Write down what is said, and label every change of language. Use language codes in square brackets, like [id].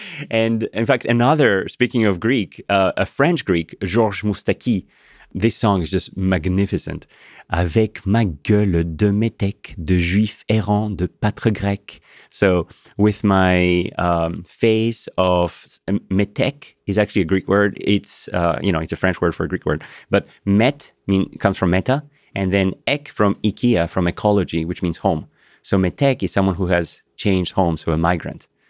[en] And in fact, speaking of Greek, a French Greek, Georges Moustaki, this song is just magnificent. [fr] Avec ma gueule de métèque, de juif errant, de pâtre grec. [en] So with my face of métèque is actually a Greek word. It's, you know, it's a French word for a Greek word. But met comes from meta, and then ek from IKEA, from ecology, which means home. So métèque is someone who has changed home, so a migrant.